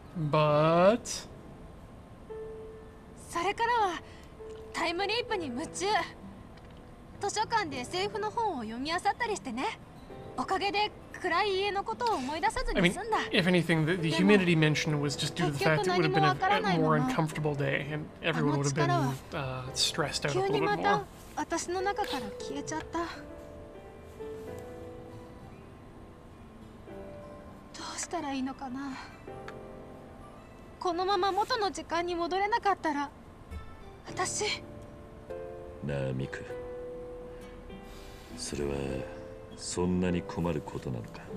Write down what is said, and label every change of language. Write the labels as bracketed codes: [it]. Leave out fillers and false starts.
[en] But [ja] それからはタイムリープに夢中。図書館で SF の本を読み漁ったりしてね。おかげで暗い家のことを思い出さずに済んだ。 [en] I mean, if anything, the humidity mentioned was just due to the fact it would have been a more uncomfortable day and everyone would have been stressed out a little bit more. [ja] 急にまた私の中から消えちゃった。どうしたらいいのかな。このまま元の時間に戻れなかったら、私。なあミク、それはそんなに困ることなのか。